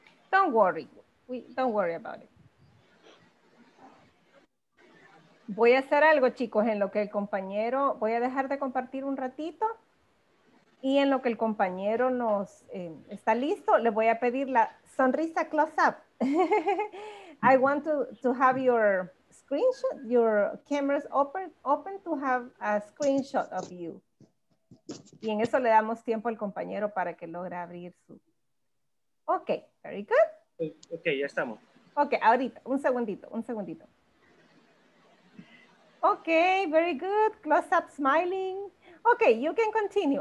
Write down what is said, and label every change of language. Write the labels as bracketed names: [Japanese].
[English] Don't worry about it. [Spanish] Voy a hacer algo, chicos, en lo que el compañero, voy a dejar de compartir un ratito y en lo que el compañero nos está listo, le voy a pedir la sonrisa close up. [English] I want to have your screenshot, your cameras open to have a screenshot of you. [Spanish] Y en eso le damos tiempo al compañero para que logre abrir su [English] Okay, very good. [Spanish] Okay, ya estamos. Okay, ahorita, un segundito. [English] Okay, very good. Close up smiling. Okay, you can continue.